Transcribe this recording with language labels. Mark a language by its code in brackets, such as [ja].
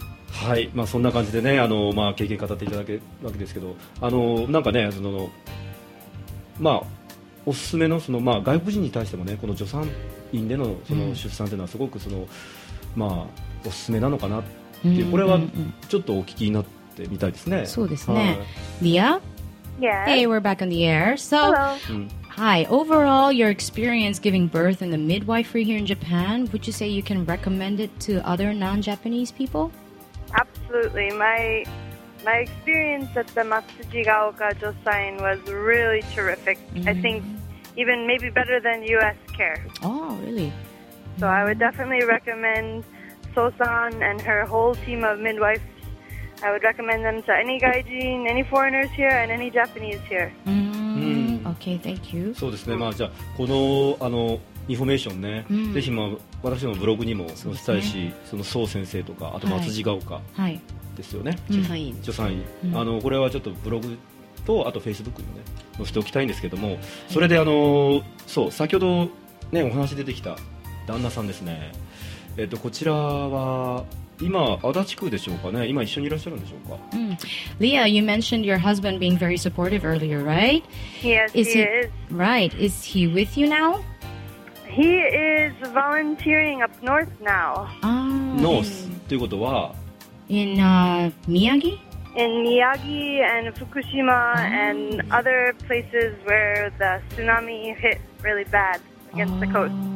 [ja] はい、まあ、そんな感じでね、まあ、経験語っていただけるわけですけど、なんかね、そのまあおすすめ の、 そのまあ外国人に対してもね、この助産院で の、 その出産というのはすごくそのまあおすすめなのかなっていう、これはちょっとお聞きになってみたいですね、そうですね、リア、 [en] yes. Hey, we're back on the air. So, hello. Hi, overall your experience giving birth in the midwifery here in Japan, would you say you can recommend it to other non-Japanese people? Absolutely, My experience at the Matsuji ga Oka Josain was really terrific. Mm-hmm. I think even maybe better than U.S. care. Oh, really? So I would definitely recommend So-san and her whole team of midwives. I would recommend them to any gaijin, any foreigners here, and any Japanese here. Mm-hmm. Mm-hmm. Okay, thank you. [ja] そうですね。まあじゃあこのあのインフォメーションね、ぜひ、まあ私のブログにも載せたいし、その So 先生とかあと Matsuji ga Oka。はい。ですよね、助産院、うん、あのこれはちょっとブログとあとフェイスブックにも、ね、載せておきたいんですけども、それであのそう先ほど、ね、お話出てきた旦那さんですね、こちらは今足立区でしょうかね、今一緒にいらっしゃるんでしょうか、 [en] うん、Leah, you mentioned your husband being very supportive earlier, right? Yes, he is. Right, is he with you now? He is volunteering up north now. [ja] North, ということは [en] In Miyagi? In Miyagi and Fukushima and other places where the tsunami hit really bad against the coast.